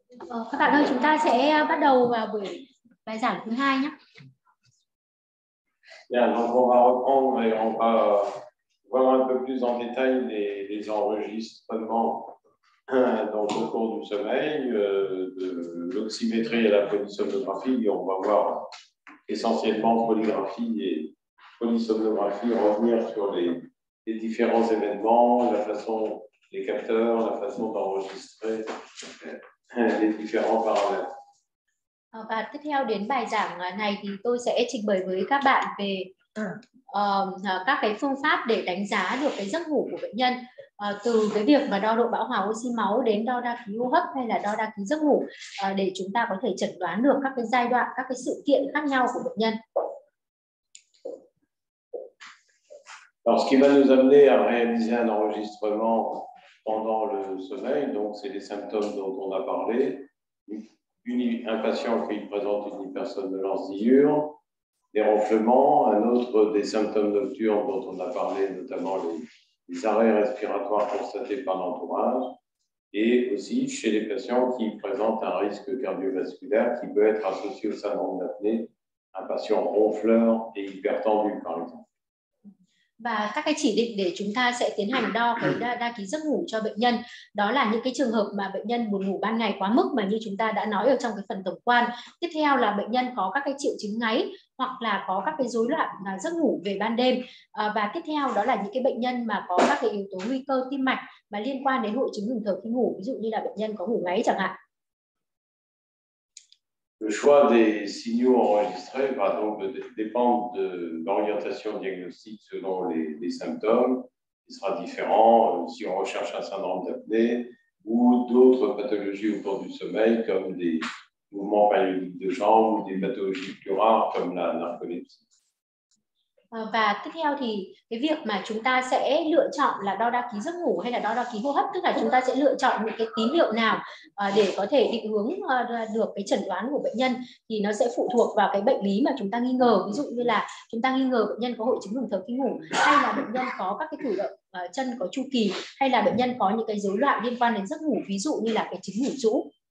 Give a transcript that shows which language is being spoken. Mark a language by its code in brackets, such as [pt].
[vi] Các bạn ơi, chúng ta sẽ bắt đầu vào buổi bài giảng thứ hai nhé. [fr] Bien, donc on va reprendre et on va voir un peu plus en détail les enregistrements donc au cours du sommeil, de l'oxymétrie à la polysomnographie. On va voir essentiellement polygraphie et polysomnographie, revenir sur les différents événements, la façon, les capteurs, la façon d'enregistrer les différents paramètres. [vi] Và tiếp theo đến bài giảng này thì tôi sẽ trình bày với các bạn về các cái phương pháp để đánh giá được cái giấc ngủ của bệnh nhân, từ cái việc mà đo độ bão hòa oxy máu đến đo đa ký hô hấp hay là đo đa ký giấc ngủ, để chúng ta có thể chẩn đoán được các cái giai đoạn, các cái sự kiện khác nhau của bệnh nhân. [fr] Alors, ce qui va nous amener à réaliser un enregistrement pendant le sommeil, donc c'est les symptômes dont on a parlé. Un patient qui présente une hypersomnolence diurne, des ronflements, un autre des symptômes nocturnes dont on a parlé, notamment les arrêts respiratoires constatés par l'entourage, et aussi chez les patients qui présentent un risque cardiovasculaire qui peut être associé au syndrome d'apnée, un patient ronfleur et hypertendu, par exemple. [vi] Và các cái chỉ định để chúng ta sẽ tiến hành đo cái đa ký giấc ngủ cho bệnh nhân, đó là những cái trường hợp mà bệnh nhân buồn ngủ ban ngày quá mức mà như chúng ta đã nói ở trong cái phần tổng quan. Tiếp theo là bệnh nhân có các cái triệu chứng ngáy hoặc là có các cái rối loạn giấc ngủ về ban đêm. Và tiếp theo đó là những cái bệnh nhân mà có các cái yếu tố nguy cơ tim mạch mà liên quan đến hội chứng ngừng thở khi ngủ, ví dụ như là bệnh nhân có ngủ ngáy chẳng hạn. [fr] Le choix des signaux enregistrés va donc dépendre de l'orientation diagnostique selon les symptômes. Il sera différent si on recherche un syndrome d'apnée ou d'autres pathologies au cours du sommeil, comme des mouvements périodiques de jambes ou des pathologies plus rares, comme la narcolepsie. [vi] Và tiếp theo thì cái việc mà chúng ta sẽ lựa chọn là đo đa ký giấc ngủ hay là đo đa ký hô hấp, tức là chúng ta sẽ lựa chọn những cái tín hiệu nào để có thể định hướng được cái chẩn đoán của bệnh nhân, thì nó sẽ phụ thuộc vào cái bệnh lý mà chúng ta nghi ngờ. Ví dụ như là chúng ta nghi ngờ bệnh nhân có hội chứng ngừng thở khi ngủ, hay là bệnh nhân có các cái cử động chân có chu kỳ, hay là bệnh nhân có những cái rối loạn liên quan đến giấc ngủ, ví dụ như là cái chứng ngủ rũ.